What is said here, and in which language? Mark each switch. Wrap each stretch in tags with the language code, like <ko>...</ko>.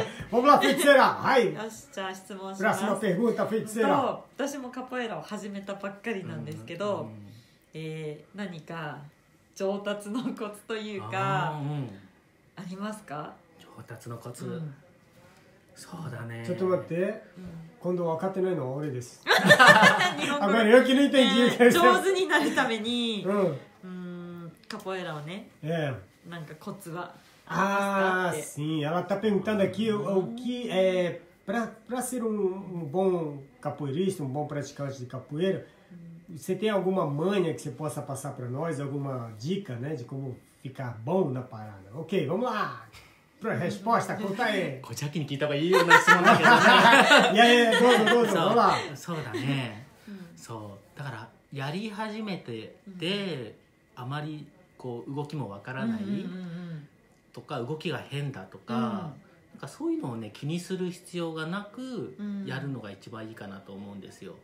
<pt>Vamos lá, feiticeira. Ai. Próxima pergunta, feiticeira.</pt> <ja>私もカポエラを始めたばっかりなんですけど、何か上達のコツというか、ありますか？上達のコツ、そうだね。ちょっと待って、今度分かってないのは俺です。日本語で、上手になるために、カポエラをね、なんかコツはありますかって。</ja> <pt>Ah, sim. Ela está perguntando aqui o que é para ser um bom capoeirista, um bom praticante de capoeira, você tem alguma manha que você possa passar para nós? Alguma dica, né, de como ficar bom na parada? Ok, vamos lá! Pra resposta, conta aí!</pt> <ja>Kochaki に聞いた方がいいような質問だけどね。いやいや、どうぞどうぞ、</ja> <pt>vamos lá!</pt> <ja>そうだね。そう。だから、やり始めてで、あまりこう動きもわからないとか、動きが変だとか、なんかそういうのをね気にする必要がなくやるのが一番いいかなと思うんですよ。</ja>